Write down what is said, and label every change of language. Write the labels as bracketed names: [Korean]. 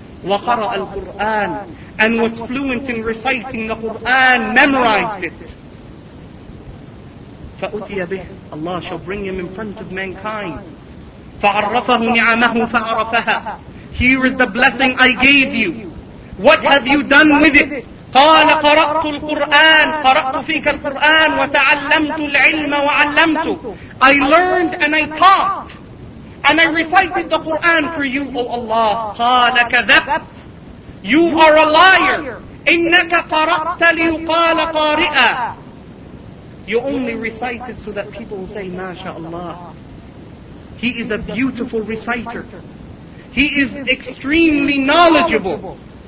[Arabic] وَقَرَأَ الْقُرْآنِ, [English] and was fluent in reciting the Qur'an, memorized it. [Arabic] فَأُتِيَ بِهِ, [English] Allah shall bring him in front of mankind. [Arabic] فَعَرَّفَهُ نِعَمَهُ فَعَرَفَهَا, [English] here is the blessing I gave you, what have you done with it? [Arabic] قَالَ قَرَأْتُ الْقُرْآنِ, قَرَأْتُ فِيكَ الْقُرْآنِ وَتَعَلَّمْتُ الْعِلْمَ وَعَلَّمْتُ, [English] I learned and I taught. And I recited the Qur'an for you, O Allah. [Arabic] قَالَ كَذَبْتْ, [English] you are a liar. [Arabic] إِنَّكَ قَرَأْتَ لِيُقَالَ قَارِئًا, [English] you only recited so that people will say, MashaAllah. He is a beautiful reciter. He is extremely knowledgeable.